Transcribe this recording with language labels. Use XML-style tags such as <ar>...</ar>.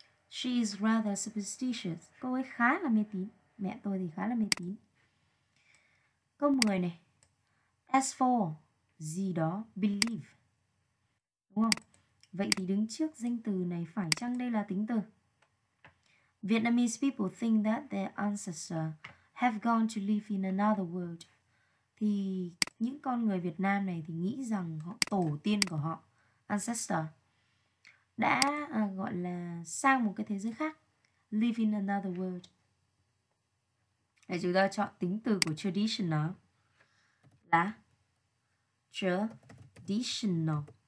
<en>She is rather superstitious.</en> <vi>Cô ấy khá là mê tín. Mẹ tôi thì khá là mê tín. Câu 10 này. As for gì đó, believe, đúng không? Vậy thì đứng trước danh từ này, phải chăng đây là tính từ?</vi> <en>Vietnamese people think that their ancestors have gone to live in another world.</en> <vi>Thì những con người Việt Nam này thì nghĩ rằng họ, tổ tiên của họ, ancestor, đã gọi là sang một cái thế giới khác,</vi> <en>live in another world.</en> <vi>Để chúng ta chọn tính từ của traditional là traditional.</vi>